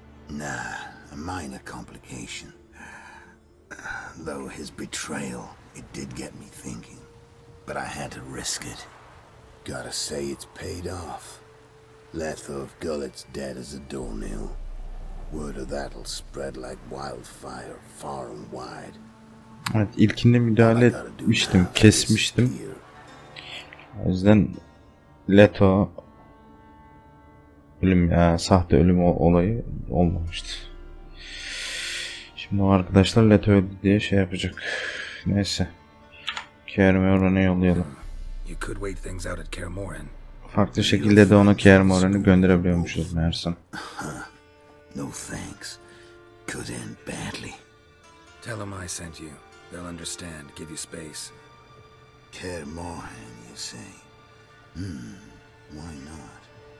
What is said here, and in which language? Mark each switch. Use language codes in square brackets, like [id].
[en] Nah, a minor complication. Though his betrayal, it did get me thinking. But I had to risk it. Gotta say it's paid off. Letho of Gullet's dead as a doornail. Word of that'll spread like wildfire far and wide. [tr] Evet, ilkinde müdahale etmiştim, kesmiştim. O yüzden Letho ölüm ya, sahte ölüm olayı olmamıştı. Şimdi o arkadaşlar Letho öldü diye şey yapacak. Neyse. Kaer Morhen'e yollayalım. [en] You could wait things out at Kaer Morhen. [tr] Farklı şekilde de onu Kaer Morhen'e gönderebiliyormuşuz meğersem. [en] No thanks. Could end badly. Tell them I sent you. They'll understand. Give you space. Kaer Morhen, you say? Why not?